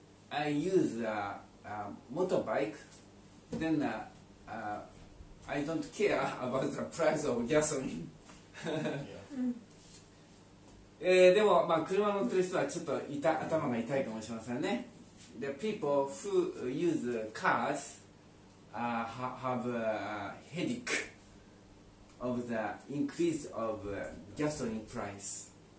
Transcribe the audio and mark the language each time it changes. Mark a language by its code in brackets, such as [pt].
[en] I use a motorbike, then I don't care about the price of gasoline. [ja] 、でも、まあ、車乗ってる人はちょっと頭が痛いかもしれませんね。 [en] The people who use cars have a headache of the increase of gasoline price.